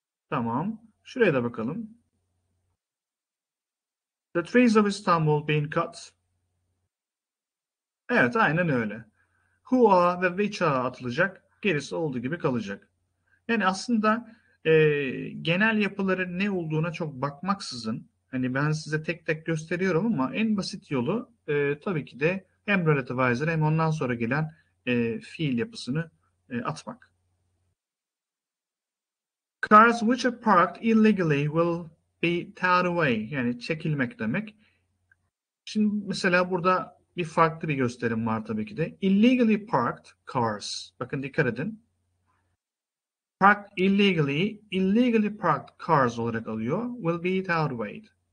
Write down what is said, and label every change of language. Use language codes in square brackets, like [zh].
[tr] Tamam, şuraya da bakalım. [en] The trees of Istanbul being cut. [tr] Evet, aynen öyle. [en] Who are [tr] ve [en] which are [tr] atılacak, gerisi olduğu gibi kalacak. Yani aslında genel yapıları ne olduğuna çok bakmaksızın, hani ben size tek tek gösteriyorum ama en basit yolu tabii ki de hem relativizer hem ondan sonra gelen fiil yapısını atmak. [en] Cars which are parked illegally will be towed away, [tr] yani çekilmek demek. Şimdi mesela burada bir farklı bir gösterim var tabii ki de. [en] Illegally parked cars, [tr] bakın dikkat edin. [en] Parked illegally, illegally parked cars [tr] olarak alıyor, [en] will be towed away.